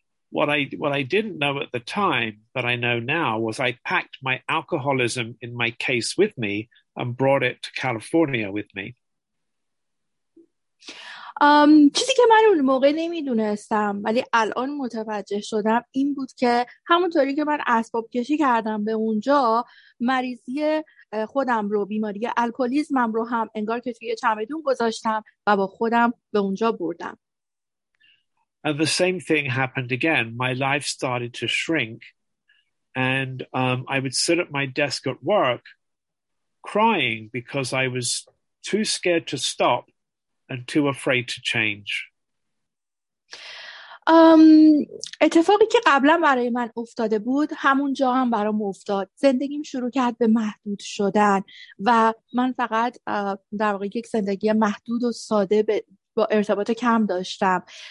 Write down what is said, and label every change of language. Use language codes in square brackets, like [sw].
[en] What I didn't know at the time, but I know now, was I packed my alcoholism in my case with me and brought it to California with me. [fa] چیزی که من اون موقع نمیدونستم ولی الان متوجه شدم این بود که همونطوری که من اسباب کشی کردم به اونجا، مریضی خودم رو، بیماری الکلیزمم رو هم انگار که توی چمدون گذاشتم و با خودم به اونجا بردم. [en] And the same thing happened again. My life started to shrink, and I would sit at my desk at work crying because I was too scared to stop and too afraid to change. [fa] اتفاقی که قبلا برای من افتاده بود همونجا هم برام افتاد. زندگیم شروع کرد به محدود شدن و من فقط در واقع یک زندگی محدود و ساده با ارتباط کم داشتم.